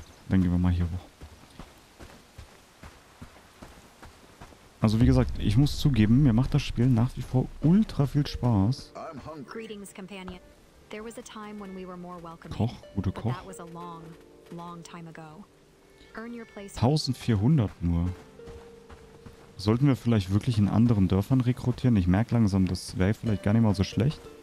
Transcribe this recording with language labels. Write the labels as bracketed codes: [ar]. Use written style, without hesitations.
[de] Dann gehen wir mal hier hoch. Also wie gesagt, ich muss zugeben, mir macht das Spiel nach wie vor ultra viel Spaß. [en] Greetings, companion. There was a time when we were more welcoming. [de] Koch, gute Koch. [en] That was a long, long time ago. [de] 1400 nur. Sollten wir vielleicht wirklich in anderen Dörfern rekrutieren? Ich merke langsam, das wäre vielleicht gar nicht mal so schlecht.